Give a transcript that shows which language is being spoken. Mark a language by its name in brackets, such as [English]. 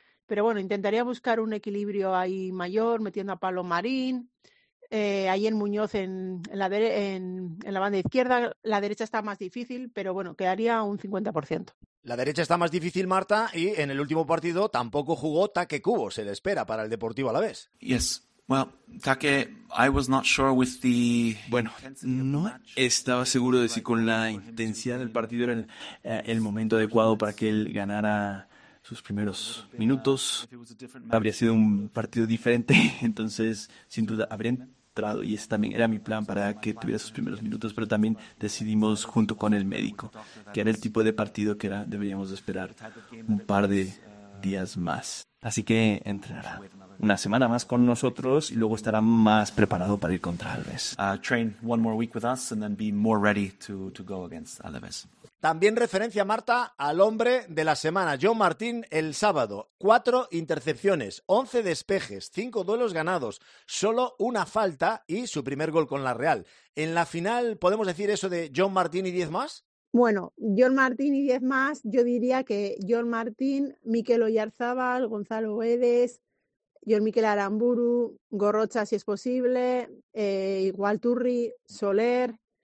[Spanish] Pero bueno, intentaría buscar un equilibrio ahí mayor, metiendo a Pablo Marín. Ahí en Muñoz, en la banda izquierda, la derecha está más difícil, pero bueno, quedaría un 50%. La derecha está más difícil, Marta, y en el último partido tampoco jugó Take Kubo, se le espera para el Deportivo Alavés. [English] Yes. Well, Take, I was not sure with the... [Spanish] Bueno, no estaba seguro de si con la intensidad del partido era el momento adecuado para que él ganara sus primeros minutos. Habría sido un partido diferente, entonces sin duda habría entrado, y ese también era mi plan, para que tuviera sus primeros minutos, pero también decidimos junto con el médico que era el tipo de partido que era, deberíamos esperar un par de días más. Así que entrenará una semana más con nosotros y luego estará más preparado para ir contra Alves. [English] Train one more week with us and then be more ready to go against Alves. [Spanish] También referencia, Marta, al hombre de la semana, John Martín, el sábado. 4 intercepciones, 11 despejes, 5 duelos ganados, solo una falta y su primer gol con la Real. ¿En la final podemos decir eso de John Martín y 10 más? Bueno, John Martín y 10 más, yo diría que John Martín, Mikel Oyarzabal, Gonzalo Guedes, John Mikel Aramburu, Gorrocha si es posible, igual Turri, Soler...